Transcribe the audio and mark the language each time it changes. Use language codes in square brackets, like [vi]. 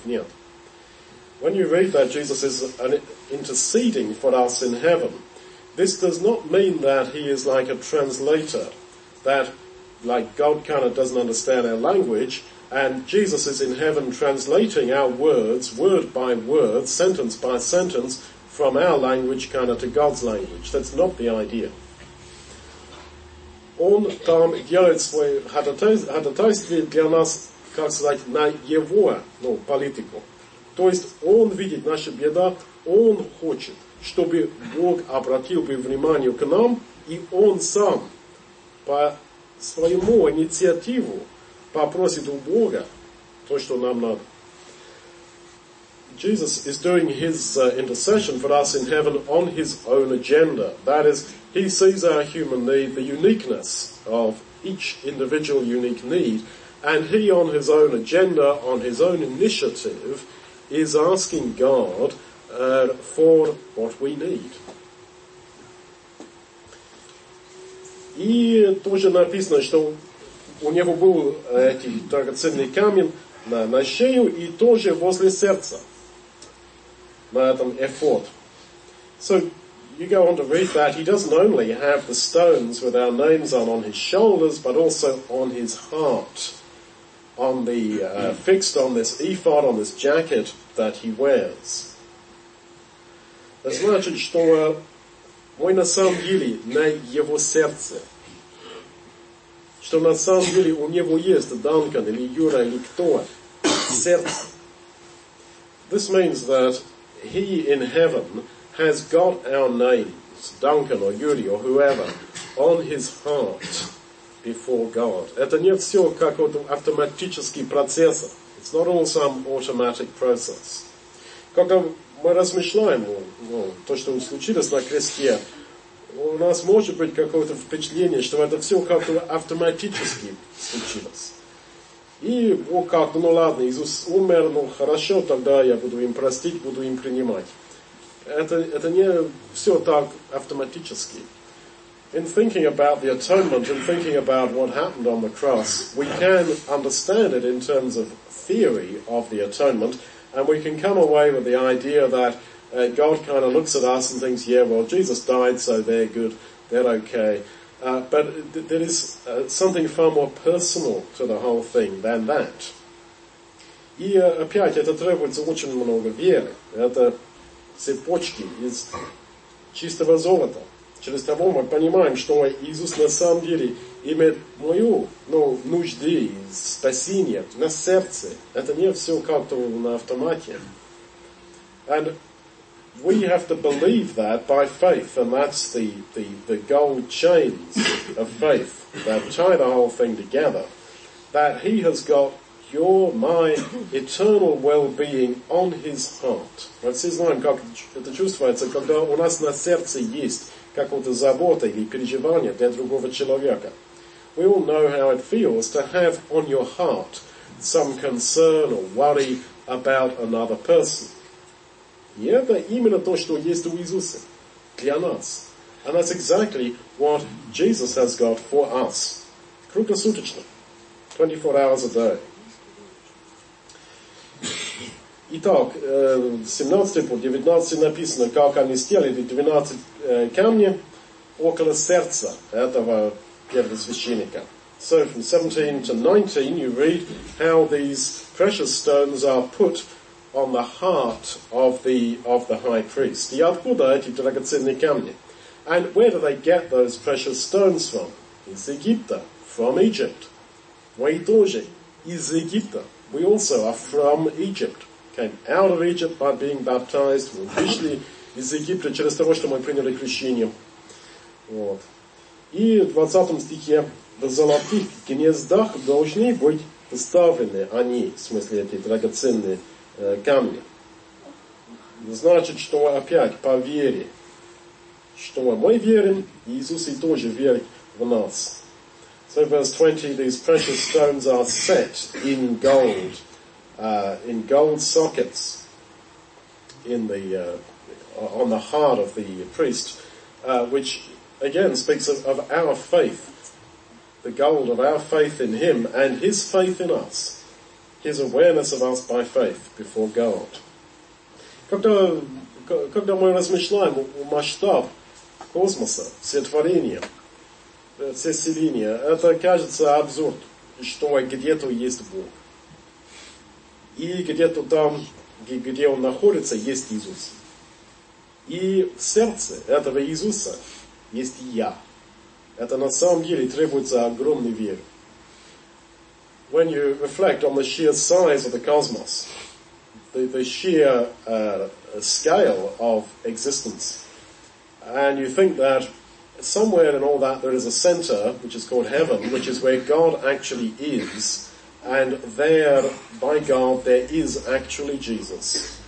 [ru] Нет. [en] When you read that Jesus is interceding for us in heaven, this does not mean that He is like a translator, that, like, God kind of doesn't understand our language, and Jesus is in heaven translating our words, word by word, sentence by sentence, from our language kind of to God's language. That's not the idea. [ru] Он там делает свое ходатайствие для нас, как сказать, на его, ну, политику. То есть он видит наши беда, он хочет, чтобы Бог обратил бы внимание к нам, и он сам по своему инициативу попросит у Бога то, что нам надо. [en] Jesus is doing his intercession for us in heaven on his own agenda. That is, he sees our human need, the uniqueness of each individual unique need, and he on his own agenda, on his own initiative, is asking God for what we need. [ru] И тоже написано, что у него был эти драгоценный камень на шею и тоже возле сердца. На этом эфод. [en] So, you go on to read that, he doesn't only have the stones with our names on his shoulders, but also on his heart, on the fixed on this ephod, on this jacket that he wears. [ru] Значит, что мы на самом деле на его сердце. Что на самом деле у него есть Данкан, или Юра, или кто? Сердце. [en] This means that He in heaven has got our names, Duncan or Yuri or whoever, on his heart before God. [ru] Это не все какой-то автоматический процесс. [en] It's not all some automatic process. [ru] Когда мы размышляем то, что случилось на кресте, у нас может быть какое-то впечатление, что это все как-то автоматически случилось. И Бог как-то, ну ладно, Иисус умер, ну хорошо, тогда я буду им простить, буду им принимать. Это не все так автоматически. [en] In thinking about the atonement, in thinking about what happened on the cross, we can understand it in terms of theory of the atonement, and we can come away with the idea that God kind of looks at us and thinks, yeah, well, Jesus died, so they're good, they're okay. But there is something far more personal to the whole thing than that. [ru] И опять, это требуется очень много веры. Это цепочки из чистого золота. Через того мы понимаем, что Иисус на самом деле имеет мою, ну, нужды, спасение на сердце. Это не все как-то на автомате. [en] And We have to believe that by faith, and that's the gold chains of faith that tie the whole thing together, that he has got your, my eternal well-being on his heart. It says, [ru] нам как это чувствуется, когда у нас на сердце есть какое-то забота или переживание для другого человека. [en] We all know how it feels to have on your heart some concern or worry about another person. [ru] И это именно то, что есть у Иисуса для нас. [en] And that's exactly what Jesus has got for us. [ru] Круглосуточно. [en] 24 hours a day. [ru] Итак, 17 по 19 написано, как они сделали 12 камней около сердца этого первосвященника. [en] So from 17 to 19 you read how these precious stones are put on the heart of the high priest. [ru] И откуда эти драгоценные камни? [en] And where do they get those precious stones from? [ru] Из Египта. [en] From Egypt. [ru] Мы тоже из Египта. [en] We also are from Egypt. Came out of Egypt by being baptized. [ru] Мы вышли из Египта через того, что мы приняли крещение. Вот. И в 20 стихе в золотых гнездах должны быть поставлены они, в смысле эти драгоценные камни. Значит, что опять по вере, что мы верим, Иисус и тоже верит в нас. [en] So verse 20, these precious stones are set in gold sockets in the, on the heart of the priest, which again speaks of our faith, the gold of our faith in him and his faith in us. His awareness of us by faith before God. [ru] Когда мы размышляем о масштабе космоса, сотворения, вселения, это кажется абсурд, что где-то есть Бог. И где-то там, где Он находится, есть Иисус. И в сердце этого Иисуса есть я. Это на самом деле требуется огромной веры. [en] When you reflect on the sheer size of the cosmos, the sheer scale of existence, and you think that somewhere in all that there is a center, which is called heaven, which is where God actually is, and there, by God, there is actually Jesus.